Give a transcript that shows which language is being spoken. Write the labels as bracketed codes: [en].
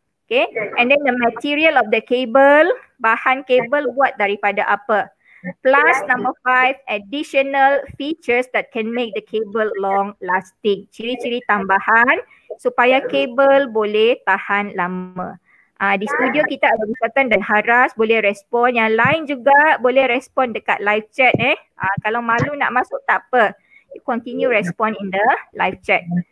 [en] Okay, and then the material of the cable. [ms] Bahan kabel buat daripada apa? [en] Plus number five, additional features that can make the cable long lasting. [ms] Ciri-ciri tambahan supaya kabel boleh tahan lama. Di studio kita ada Vishatan dan Haras, boleh respon. Yang lain juga boleh respon dekat live chat eh. Kalau malu nak masuk tak apa. [en] You continue respond in the live chat.